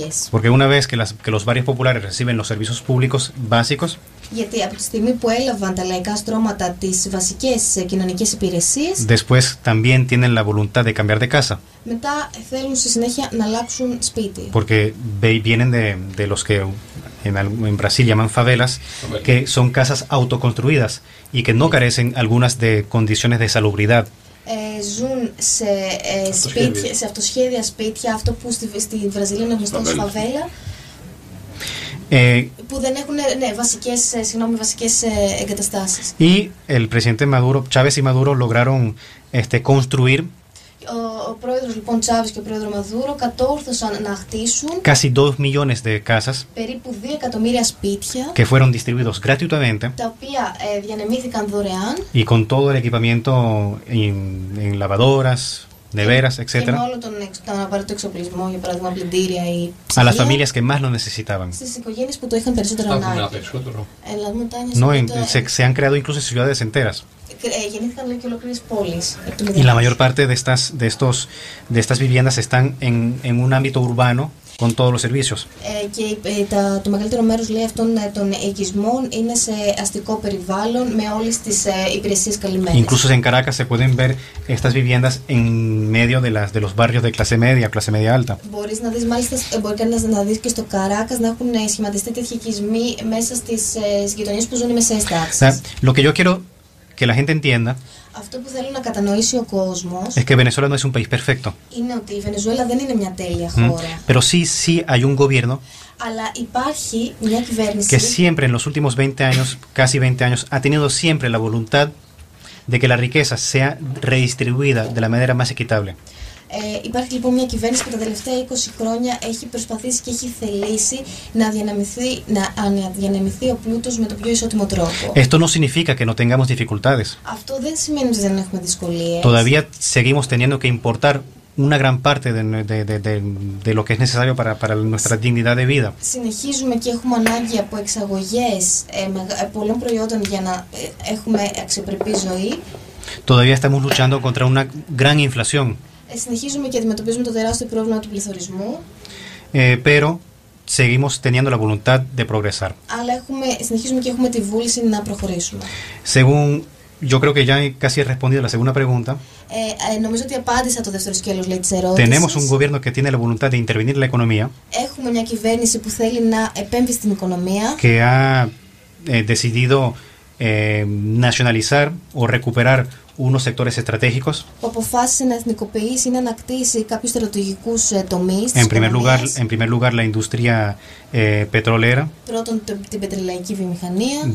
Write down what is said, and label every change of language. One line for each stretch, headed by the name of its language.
Spanish: Porque una vez que los barrios populares reciben los servicios públicos básicos.
Greek: Γιατί από τη στιγμή που έλαβαν τα λαϊκά στρώματα τις βασικές κοινωνικές υπηρεσίες.
Spanish: Después también tienen la voluntad de cambiar de casa.
Greek: Μετά θέλουν στη συνέχεια να αλλάξουν σπίτι.
Spanish: Porque vienen de los que en Brasil llaman favelas, que son casas autoconstruidas y que no carecen algunas de condiciones de salubridad.
Greek: Ζουν σε, σπίτια, σε αυτοσχέδια σπίτια, αυτό που στη Βραζιλία είναι γνωστό ως φαβέλα. Που δεν έχουν βασικές εγκαταστάσεις.
Spanish: Y el presidente Maduro, Chávez y Maduro lograron construir.
Greek: Ο πρόεδρος λοιπόν Chávez και ο πρόεδρος Maduro κατόρθωσαν να χτίσουν
Spanish: casi 2 millones de casas.
Greek: Περίπου 2 εκατομμύρια σπίτια.
Spanish: Que fueron distribuidos gratuitamente.
Greek: Τα οποία διανεμήθηκαν δωρεάν.
Spanish: Y con todo el equipamiento en lavadoras, neveras, etc.
Greek: Και όλο τον απαραίτητο εξοπλισμό, για παράδειγμα πλυντήρια ή ψυγεία.
Spanish: A las familias que más lo necesitaban.
Greek: Στις οικογένειες που το είχαν περισσότερο ανάγκη. Έχουν περισσότερο.
Spanish: Las montañas. No, se han creado incluso ciudades enteras.
Greek: Γεννήθηκαν και ολόκληρες πόλεις.
Spanish: Y la mayor parte de estas viviendas están en un ámbito urbano con todos los servicios.
Greek: Και το μεγαλύτερο μέρος των οικισμών είναι σε αστικό περιβάλλον με όλες τις υπηρεσίες καλυμμένες.
Spanish: Incluso en Caracas se pueden ver estas viviendas en medio de los barrios de clase media, clase media alta.
Greek: Μπορείς να δεις μάλιστα, μπορεί κανένας να δεις και στο Caracas να έχουν σχηματιστεί τέτοιοι οικισμοί μέσα στις γειτονίες που ζουν οι μεσαίες τάξεις.
Spanish: Lo que yo quiero que la gente entienda.
Greek: Αυτό που θέλω να κατανοήσει ο κόσμος.
Spanish: Es que Venezuela no es un país perfecto.
Greek: Είναι ότι η Βενεζουέλα δεν είναι μια τέλεια χώρα.
Spanish: Pero sí hay un gobierno.
Greek: Αλλά υπάρχει μια κυβέρνηση.
Spanish: Que siempre en los últimos 20 años, casi 20 años, ha tenido siempre la voluntad de que la riqueza sea redistribuida de la manera más equitable.
Greek: Υπάρχει λοιπόν μια κυβέρνηση που τα τελευταία 20 χρόνια έχει προσπαθήσει και έχει θελήσει να διανεμηθεί ο πλούτος με τον πιο ισότιμο τρόπο.
Spanish: Esto no significa que no tengamos dificultades.
Greek: Αυτό δεν σημαίνει ότι δεν έχουμε δυσκολίες.
Spanish: Todavía seguimos teniendo que importar una gran parte de lo que es necesario para nuestra dignidad de vida.
Greek: Συνεχίζουμε και έχουμε ανάγκη από εξαγωγές πολλών προϊόντων για να έχουμε αξιοπρεπή ζωή.
Spanish: Todavía estamos luchando contra una gran inflación.
Greek: Συνεχίζουμε και αντιμετωπίζουμε το τεράστιο πρόβλημα του πληθωρισμού.
Spanish: Pero seguimos teniendo la voluntad de progresar.
Greek: Αλλά συνεχίζουμε και έχουμε τη βούληση να προχωρήσουμε.
Spanish: Según Yo creo que ya casi he respondido a la segunda pregunta.
Greek: Νομίζω ότι απάντησα το δεύτερο σκέλος λέει, της ερώτησης.
Spanish: Tenemos un gobierno que tiene la voluntad de intervenir en la economía.
Greek: Έχουμε μια κυβέρνηση που θέλει να επέμβει στην οικονομία.
Spanish: Que ha decidido nacionalizar o recuperar unos sectores estratégicos.
Greek: Που αποφάσισε να εθνικοποιήσει ή να ανακτήσει κάποιους στρατηγικούς τομείς.
Spanish: En primer lugar, la industria petrolera.
Greek: Πρώτον, την πετρελαϊκή βιομηχανία.